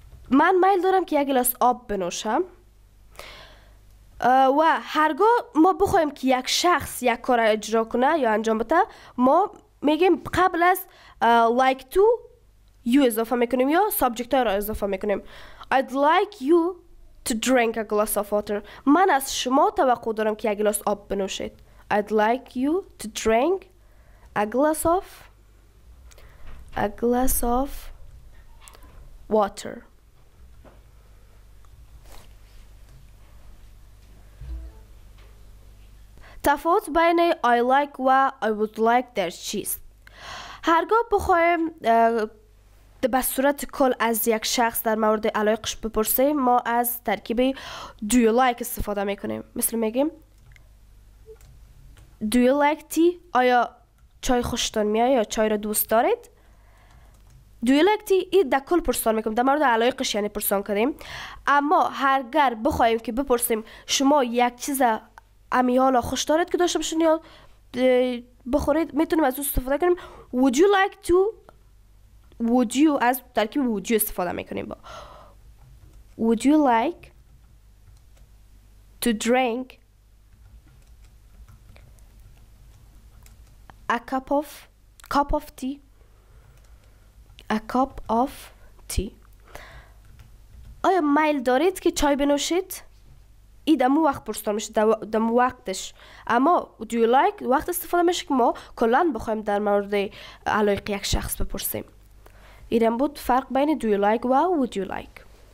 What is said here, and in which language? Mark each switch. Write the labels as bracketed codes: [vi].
[fa] من میل دارم که یک گلاس آب بنوشم. و هرگاه ما بخوایم که یک شخص یک کار اجرا کنه یا انجام بده ما میگیم قبل از [en] like to you [fa] اضافه میکنیم یا subject را اضافه میکنیم. [en] I'd like you to drink a glass of water. [fa] من از شما توقع دارم که یک گلاس آب بنوشید. [en] I'd like you to drink a glass of water. [fa] تفاوت بین [en] I like [fa] و [en] I would like [fa] در چیست؟ هرگاه بخوایم به صورت کل از یک شخص در مورد علایقش بپرسیم ما از ترکیب [en] do you like [fa] استفاده میکنیم. مثل میگیم [en] Do you like tea? [fa] آیا چای خوشتون میاد یا چای را دوست دارید؟ [en] Do you like tea? [fa] این در کل پرسان میکنم. در مورد علایقش یعنی پرسان کردیم. اما هرگر بخواهیم که بپرسیم شما یک چیز امیالا خوش دارید که داشته باشین یا بخورید، میتونیم از او استفاده کنیم. [en] Would you like to? Would you? [fa] از ترکیب [en] would you [fa] استفاده میکنیم با. [en] Would you like to drink a cup of tea. [fa] آیا میل دارید که چای بنوشید؟ ای دمو وقت پرسیدن میشه، دمو وقتش. اما [en] do you like [fa] وقت استفاده میشه که ما کلان بخوایم در مورد علایق یک شخص بپرسیم. ایرم بود فرق بین [en] do you like [fa] و [en] would you like.